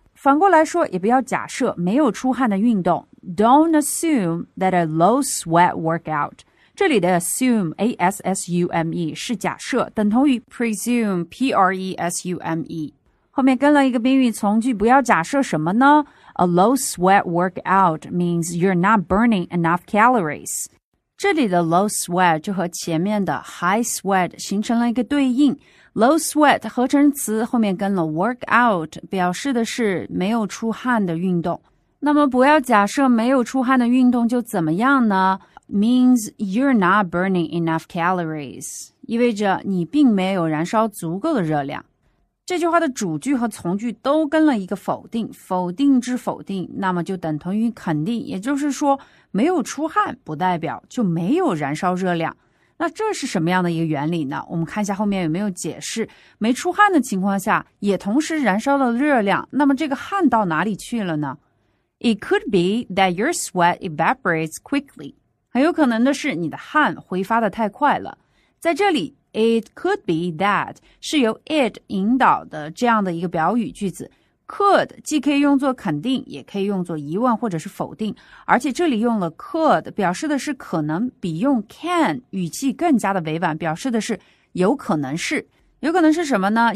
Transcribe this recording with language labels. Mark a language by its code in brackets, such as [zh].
[zh] 反过来说，也不要假设没有出汗的运动。 [en] Don't assume that a low sweat workout. [zh] 这里的 assume, A-S-S-U-M-E, 是假设，等同于 presume, P-R-E-S-U-M-E。后面跟了一个宾语从句，不要假设什么呢？ [en] A low sweat workout means you're not burning enough calories. [zh] 这里的 low sweat 就和前面的 high sweat 形成了一个对应。 Low sweat 合成词后面跟了 workout， 表示的是没有出汗的运动。那么不要假设没有出汗的运动就怎么样呢？ [en] means you're not burning enough calories， [zh] 意味着你并没有燃烧足够的热量。这句话的主句和从句都跟了一个否定，否定之否定，那么就等同于肯定，也就是说没有出汗不代表就没有燃烧热量。那这是什么样的一个原理呢？我们看一下后面有没有解释。没出汗的情况下也同时燃烧了热量，那么这个汗到哪里去了呢？ [en] It could be that your sweat evaporates quickly. [zh] 很有可能的是你的汗挥发的太快了。在这里 [en] it could be that [zh] 是由 it 引导的这样的一个表语句子。 Could 既可以用作肯定，也可以用作疑问或者是否定，而且这里用了 could 表示的是可能，比用 can 语气更加的委婉，表示的是有可能是。有可能是什么呢？